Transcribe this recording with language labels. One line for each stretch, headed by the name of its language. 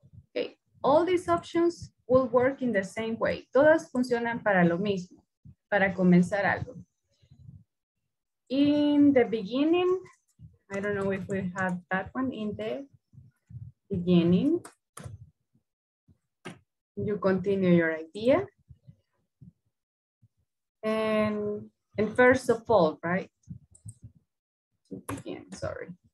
English: Okay, all these options will work in the same way.
Spanish: Todas funcionan para lo mismo, para comenzar algo.
English: In the beginning, I don't know if we have that one in there. Beginning, you continue your idea, and first of all, right, to begin, sorry,